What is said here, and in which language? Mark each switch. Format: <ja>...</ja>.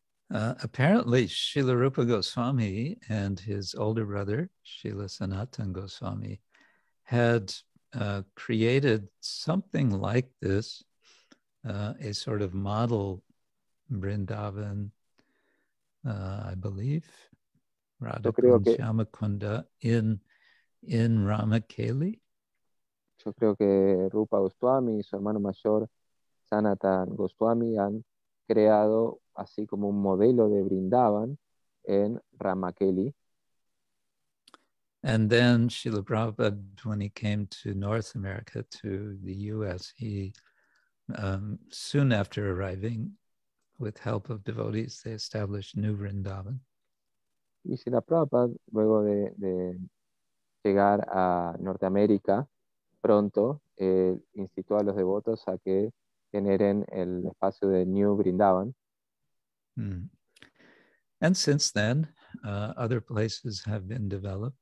<en>Apparently, Srila Rupa Goswami and his older brother, Srila Sanatana Goswami, had created something like this, a sort of model Vrindavan, I believe, Radha Shyama Kunda in Ramakeli.</en> <es>Yo creo que Rupa Goswami y su hermano mayor Sanatan Goswami han creado así como un modelo de Vrindavan en Ramakeli.</es> <en>And then Srila Prabhupada, when he came to North America, to the US, he soon after arriving, with help of devotees, they established new Vrindavan.</en> <es>Y Srila Prabhupada, luego de llegar a Norteamérica pronto, incitó a los devotos a que generen el espacio de New Vrindavan. Mm.</es> <en>And since then, other places have been developed.</en>